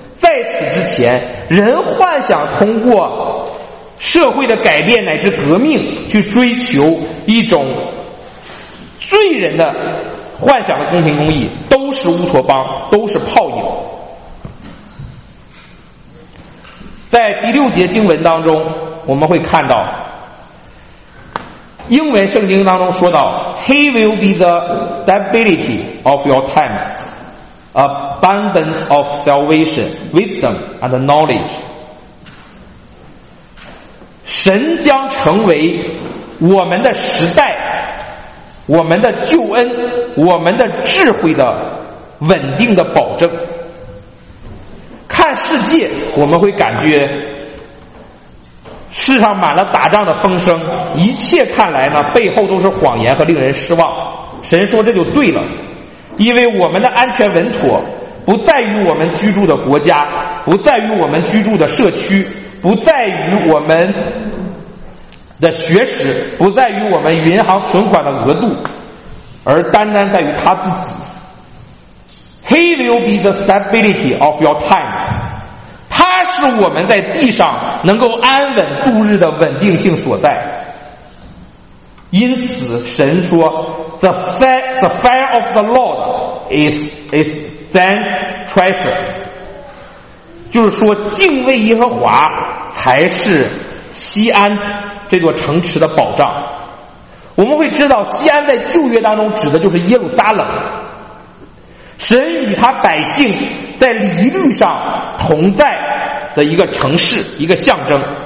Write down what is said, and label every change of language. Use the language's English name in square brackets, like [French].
[Chinese] 在此之前，人幻想通过社会的改变乃至革命去追求一种罪人的幻想的公平公义，都是乌托邦，都是泡影。在第六节经文当中，我们会看到英文圣经当中说到 [English] He will be the stability of your times, abundance of salvation, wisdom and knowledge。 [Chinese] 神将成为我们的时代，我们的救恩，我们的智慧的稳定的保证。看世界，我们会感觉世上满了打仗的风声，一切看来呢背后都是谎言和令人失望。神说这就对了，因为我们的安全稳妥不在于我们居住的国家，不在于我们居住的社区，不在于我们的学识，不在于我们银行存款的额度，而单单在于他自己。 [English] He will be the stability of your times， [Chinese] 他是我们在地上能够安稳度日的稳定性所在。因此神说 [English] The fear of the Lord is Zion's treasure， [Chinese] 就是说敬畏耶和华才是西安这座城池的保障。我们会知道西安在旧约当中指的就是耶路撒冷，神与他百姓在礼律上同在的一个城市，一个象征。